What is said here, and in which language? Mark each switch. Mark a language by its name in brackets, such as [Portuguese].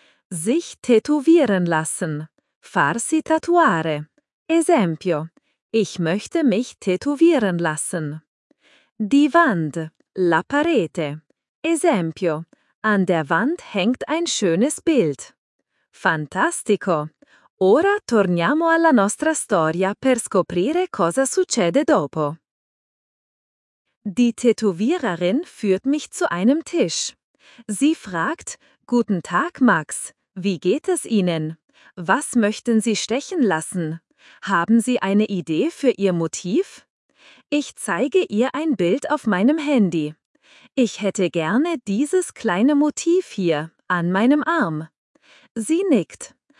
[German] Sich tätowieren lassen. [Italian] Farsi tatuare. Esempio. [German] Ich möchte mich tätowieren lassen. Die Wand. [Italian] La parete. Esempio. [German] An der Wand hängt ein schönes Bild. [Italian] Fantastico! Ora torniamo alla nostra storia per scoprire cosa succede dopo. [German] Die Tätowiererin führt mich zu einem Tisch. Sie fragt, Guten Tag, Max. Wie geht es Ihnen? Was möchten Sie stechen lassen? Haben Sie eine Idee für Ihr Motiv? Ich zeige ihr ein Bild auf meinem Handy. Ich hätte gerne dieses kleine Motiv hier, an meinem Arm. Sie nickt.